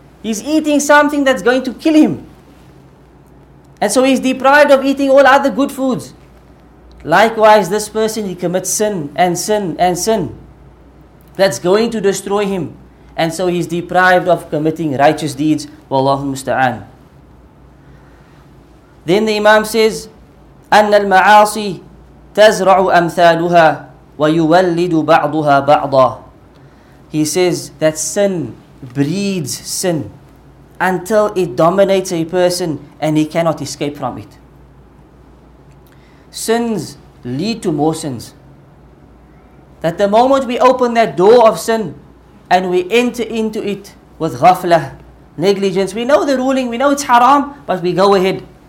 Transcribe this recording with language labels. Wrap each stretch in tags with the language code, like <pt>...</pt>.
<en>He's eating something that's going to kill him. And so he's deprived of eating all other good foods. Likewise, this person, he commits sin and sin and sin. That's going to destroy him. And so he's deprived of committing righteous deeds. Wallahu musta'an. Then the Imam says,</en> <ar>أن المعاصي تزرع أمثالها ويولد بعضها بعضا.</ar> <en>He says that sin breeds sin until it dominates a person and he cannot escape from it. Sins lead to more sins. That the moment we open that door of sin and we enter into it with ghafla, negligence, we know the ruling, we know it's haram, but we go ahead.</en>